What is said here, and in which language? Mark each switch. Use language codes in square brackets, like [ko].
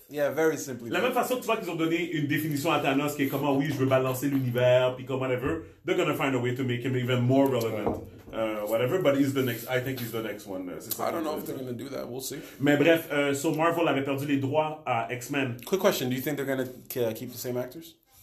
[fr] La même façon que tu vois qu'ils ont donné une définition à Thanos qui est comment, oui, je veux balancer l'univers puis comme [en] whatever, they're going to find a way to make him even more relevant. Whatever, but I think he's the next one. I don't know if they're going to do that. We'll see. [fr] Mais bref, so Marvel avait perdu les droits à X-Men. [en] Quick question. Do you think they're going to keep the same actors?